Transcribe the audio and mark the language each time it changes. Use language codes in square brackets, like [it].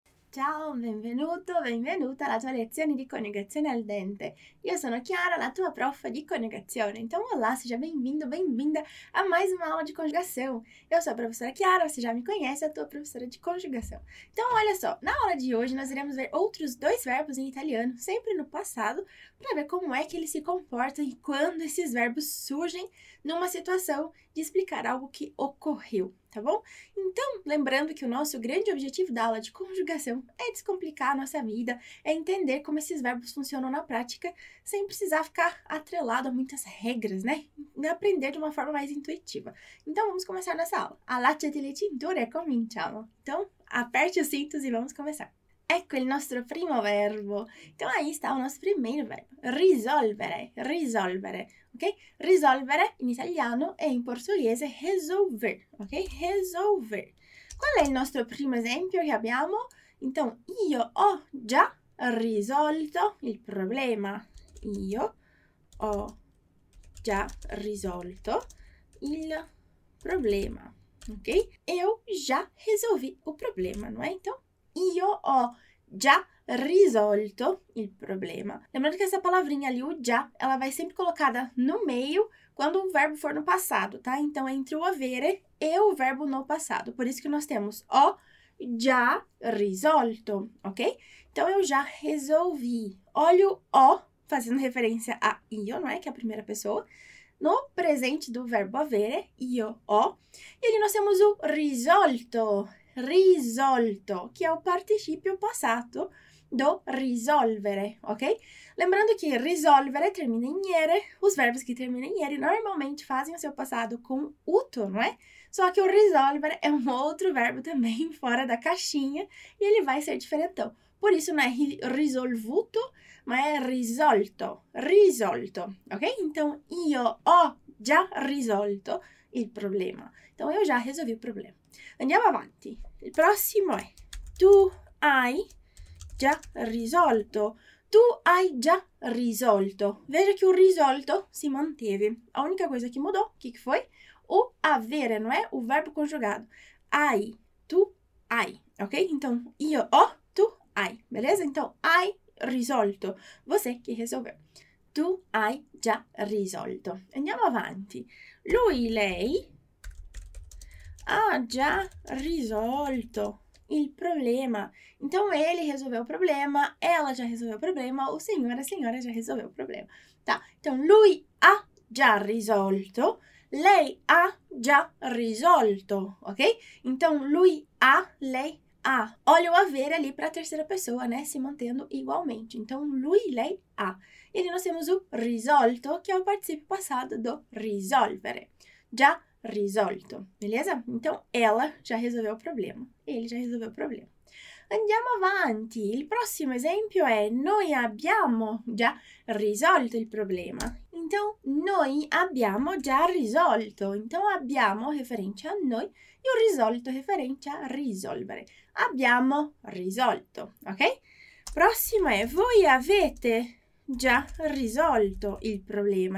[it] Ciao, benvenuto, benvenuta alla tua lezione di coniugazione al dente. Io sono Chiara, la tua prof di coniugazione. [pt] Então, olá, seja bem-vindo, bem-vinda a mais uma aula de conjugação. Eu sou a professora Chiara, você já me conhece, a tua professora de conjugação. Então, olha só, na aula de hoje nós iremos ver outros dois verbos em italiano, sempre no passado, para ver como é que eles se comportam e quando esses verbos surgem numa situação de explicar algo que ocorreu. Tá bom? Então, lembrando que o nosso grande objetivo da aula de conjugação é descomplicar a nossa vida, é entender como esses verbos funcionam na prática, sem precisar ficar atrelado a muitas regras, né? E aprender de uma forma mais intuitiva. Então, vamos começar nessa aula. [it] Allacciati le cinture e cominciamo. [pt] Então, aperte os cintos e vamos começar. [it] Ecco il nostro primo verbo. [pt] Então, aí está o nosso primeiro verbo. [it] Risolvere, risolvere. Okay? Risolvere in italiano e in portoghese resolver, okay? Resolver. Qual è il nostro primo esempio che abbiamo? Então, io ho già risolto il problema. Io ho già risolto il problema. Okay? [pt] Eu [it] già risolvi [pt] o problema, não é? [it] Então, io ho già risolto il problema. [pt] Lembrando que essa palavrinha ali, o già, ela vai sempre colocada no meio quando o verbo for no passado, tá? Então, entre o avere e o verbo no passado. Por isso que nós temos [it] ho già risolto, [pt] ok? Então, eu já resolvi. Olha o ho, fazendo referência a io, não é? Que é a primeira pessoa. No presente do verbo avere, [it] io ho. [pt] E ali nós temos o risolto. Risolto, que é o [it] participio passato [pt] do risolvere, ok? Lembrando que risolvere termina em -iere, os verbos que terminam em -iere normalmente fazem o seu passado com -uto, não é? Só que o risolvere é um outro verbo também fora da caixinha e ele vai ser diferentão. Por isso não é ri risolvuto, mas é risolto, risolto, ok? [it] Então, io ho già risolto il problema. [pt] Então, eu já resolvi o problema. [it] Andiamo avanti. Il prossimo è tu hai già risolto. Tu hai già risolto. [pt] Veja [it] che il risolto si [pt] manteve. A única coisa che mudou, che foi? O avere, non è? O verbo conjugado. Hai, [it] tu hai. [pt] Ok? Então, [it] io ho, tu hai. [pt] Beleza? Então, [it] hai risolto. [pt] Você che risolveu. [it] Tu hai già risolto. Andiamo avanti. Lui, lei ha già risolto il problema. [pt] Então, ele resolveu o problema, ela já resolveu o problema, o senhor, a senhora já resolveu o problema, tá? [it] Então, lui ha già risolto, lei ha già risolto, ok? Então, lui ha, lei ha. [pt] Olha o avere ali para a terceira pessoa, né? Se mantendo igualmente. Então, [it] lui, lei ha. [pt] E ali nós temos o risolto, que é o participio passado do risolvere. Já risolto, beleza? Então, ela já resolveu o problema. Ele já resolveu o problema. [it] Andiamo avanti. Il prossimo esempio è noi abbiamo già risolto il problema. Então, noi abbiamo già risolto. [pt] Então, abbiamo referente a noi e o risolto referente a risolvere. [it] Abbiamo risolto, ok? Prossimo è voi avete già risolto il problema.